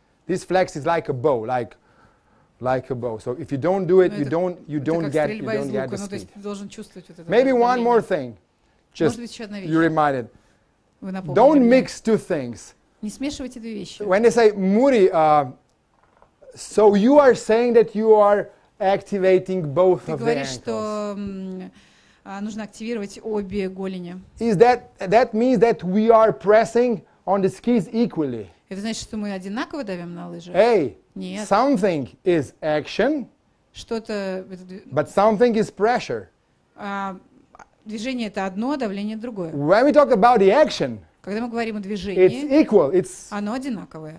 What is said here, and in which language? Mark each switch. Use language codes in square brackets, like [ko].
[en] This flex is like a bow, like a bow. So if you don't do it, you don't get the speed. Maybe one more thing. Just you reminded. Don't mix two things. When they say muri So you are saying that you are activating both of the ankles. [ru] Нужно активировать обе голени. [en] Is that means that we are pressing on the skis equally? [ru] Это значит, что мы одинаково давим на лыжи? Hey, нет. [en] Something is action. [ru] Что-то. [en] But something is pressure. [ru] Движение это одно, давление другое. [en] When we talk about the action, [ru] когда мы говорим о движении, [en] it's equal, it's, [ru] оно одинаковое.